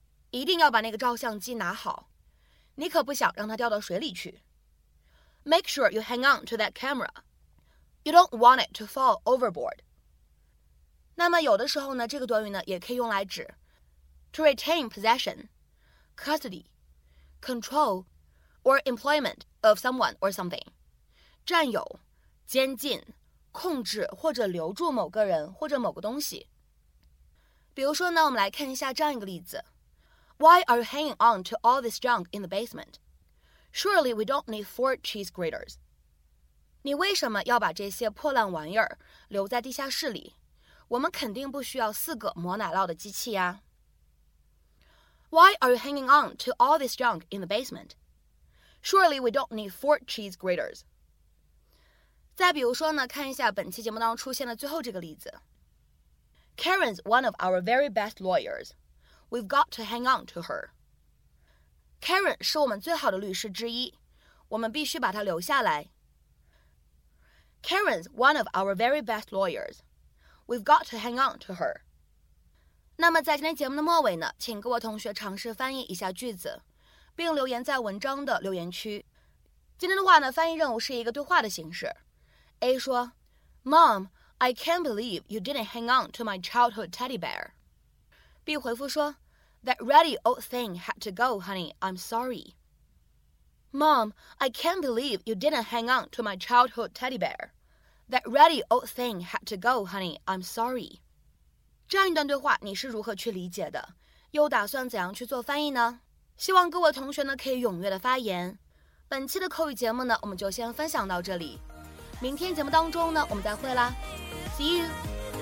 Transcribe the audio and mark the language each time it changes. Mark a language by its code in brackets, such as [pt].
[zh] 一定要把那个照相机拿好，你可不想让它掉到水里去。 [en] Make sure you hang on to that camera. You don't want it to fall overboard. [zh] 那么有的时候呢，这个短语呢也可以用来指 [en] to retain possession, custody, control, or employment of someone or something. [zh] 占有、监禁、控制或者留住某个人或者某个东西。比如说呢，我们来看一下这样一个例子。 [en] Why are you hanging on to all this junk in the basement? Surely we don't need 4 cheese graters. [zh] 你为什么要把这些破烂玩意儿留在地下室里？我们肯定不需要四个磨奶酪的机器呀。 [en] Why are you hanging on to all this junk in the basement? Surely we don't need 4 cheese graters. [zh] 再比如说呢，看一下本期节目当中出现的最后这个例子。 [en] Karen's one of our very best lawyers. We've got to hang on to her. [zh] Karen 是我们最好的律师之一，我们必须把她留下来。 [en] Karen's one of our very best lawyers. We've got to hang on to her. [zh] 那么在今天节目的末尾呢，请各位同学尝试翻译一下句子，并留言在文章的留言区。今天的话呢，翻译任务是一个对话的形式。 [en] A 说 ，Mom。I can't believe you didn't hang on to my childhood teddy bear. B 回复说 That ratty old thing had to go, honey. I'm sorry. Mom, I can't believe you didn't hang on to my childhood teddy bear. That ratty old thing had to go, honey. I'm sorry. [zh] 这样一段对话你是如何去理解的？又打算怎样去做翻译呢？希望各位同学呢可以踊跃的发言。本期的口语节目呢，我们就先分享到这里。明天节目当中呢，我们再会啦。 [en] See you.